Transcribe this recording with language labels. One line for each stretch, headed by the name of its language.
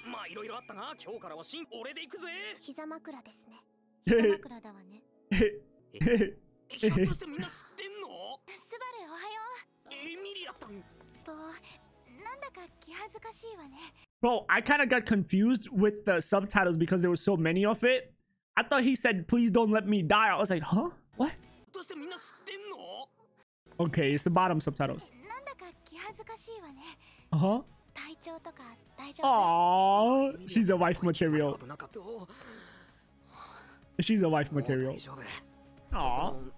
Japanese: いろいろあったが、今日からは新俺で行くぜ。膝枕ですね。膝枕だわね。ひょっとしてみんな知ってんの？スバル、おはよう。エミリアたん。と、なんだか気恥ずかしいわね。
English: Bro, I kind of got confused with the subtitles because there were so many of it. I thought he said, please don't let me die. I was like, huh? What?
Japanese: ひょっとしてみんな知ってんの？
English: Okay, it's the bottom subtitles.
Japanese: なんだか気恥ずかしいわね。 Uh-huh. 体調とか大丈夫。
English: She's a wife material. She's a wife material. Aww.